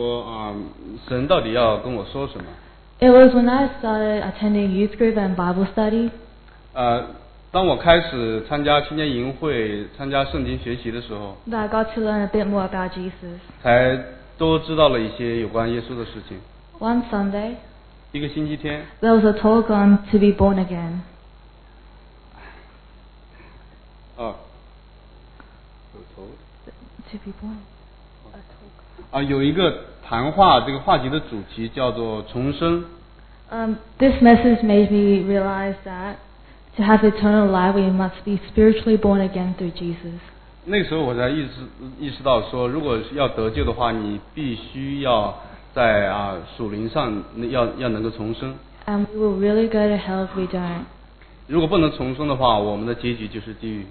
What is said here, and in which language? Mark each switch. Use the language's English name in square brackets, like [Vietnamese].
[Chinese] 但是实际上并不知道说神到底要跟我说什么。 [English] It was when I started attending youth group and Bible study. [Chinese] 当我开始参加青年营会，参加圣经学习的时候。 [English] That I got to learn a bit more about Jesus. [Chinese] 才多知道了一些有关耶稣的事情。 [English] One Sunday. [Chinese] 一个星期天, [English] there was a talk on to be born again. This message made me realize that to have eternal life, we must be spiritually born again through Jesus. [Chinese] 那时候我才意识到说，如果要得救的话，你必须要。在属灵上要能够重生。 [English] And we will really go to hell if we don't. [Chinese] 如果不能重生的话，我们的结局就是地狱。